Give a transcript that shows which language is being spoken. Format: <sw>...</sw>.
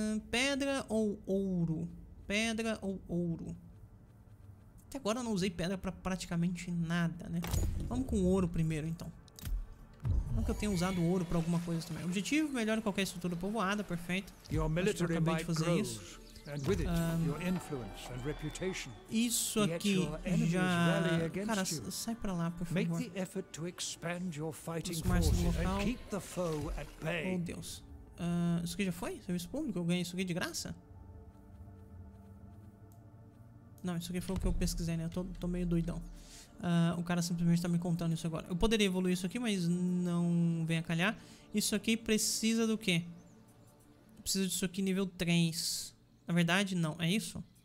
<pt>Pedra ou ouro? Pedra ou ouro? Até agora eu não usei pedra pra praticamente nada, né? Vamos com ouro primeiro, então. Não que eu tenha usado ouro pra alguma coisa também. Objetivo, melhora qualquer estrutura povoada, perfeito. Acho que eu acabei de fazer isso.</pt> <en>And with it, your influence and reputation.</en> <pt>Isso aqui já... Cara, sai pra lá, por favor.</pt> <en>Make the effort to expand your fighting forces and keep the foe at bay.</en> <pt>Oh, Deus. Isso aqui já foi? Serviço público? Eu ganhei isso aqui de graça? Não, isso aqui foi o que eu pesquisei, né? Eu tô meio doidão. O cara simplesmente tá me contando isso agora. Eu poderia evoluir isso aqui, mas não vem a calhar. Isso aqui precisa do quê? Precisa disso aqui nível 3. Na verdade, não. É isso?</pt>